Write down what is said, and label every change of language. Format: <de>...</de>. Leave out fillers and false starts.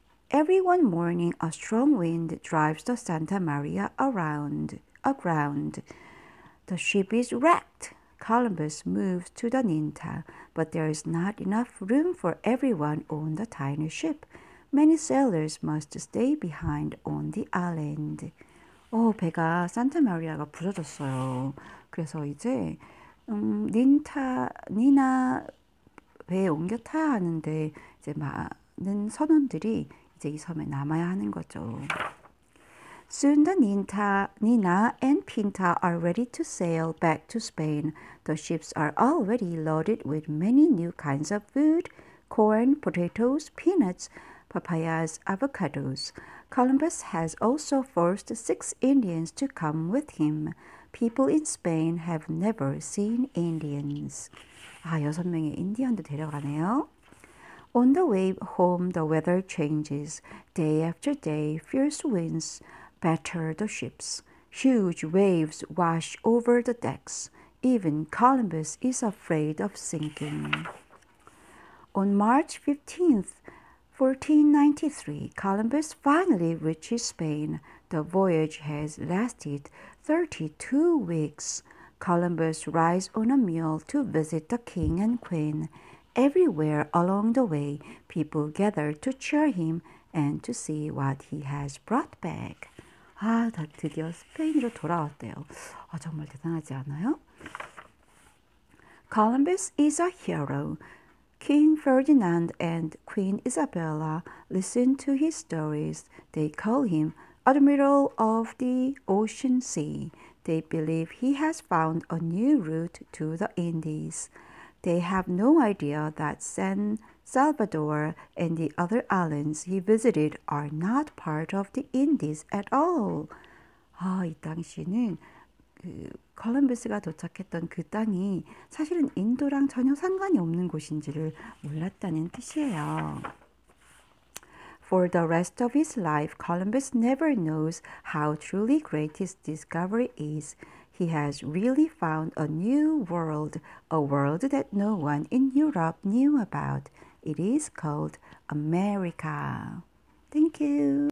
<en>Every one morning, a strong wind drives the Santa Maria aground. The ship is wrecked. Columbus moves to the Ninta, but there is not enough room for everyone on the tiny ship. Many sailors must stay behind on the island.</en> <ko>배가 산타 마리아가 부서졌어요. 그래서 이제 니나 배에 옮겨 타야 하는데 이제 많은 선원들이 이제 이 섬에 남아야 하는 거죠.</ko> <en>Soon the Nina and Pinta are ready to sail back to Spain. The ships are already loaded with many new kinds of food, corn, potatoes, peanuts, papayas, avocados. Columbus has also forced 6 Indians to come with him. People in Spain have never seen Indians.</en> <ko>여섯 명의 인디언도 데려가네요.</ko> <en>On the way home, the weather changes. Day after day, fierce winds batter the ships. Huge waves wash over the decks. Even Columbus is afraid of sinking. On March 15, 1493, Columbus finally reaches Spain. The voyage has lasted 32 weeks. Columbus rides on a mule to visit the king and queen. Everywhere along the way, people gather to cheer him and to see what he has brought back.</en> <ko>아, 다 드디어 스페인으로 돌아왔대요. 아, 정말 대단하지 않아요?</ko> <en>Columbus is a hero. King Ferdinand and Queen Isabella listen to his stories. They call him Admiral of the Ocean Sea. They believe he has found a new route to the Indies. They have no idea that San Salvador and the other islands he visited are not part of the Indies at all.</en> <ko>아, 이 당시는 그 콜럼버스가 도착했던 그 땅이 사실은 인도랑 전혀 상관이 없는 곳인지를 몰랐다는 뜻이에요.</ko> <en>For the rest of his life, Columbus never knows how truly great his discovery is. He has really found a new world, a world that no one in Europe knew about. It is called America. Thank you.</en>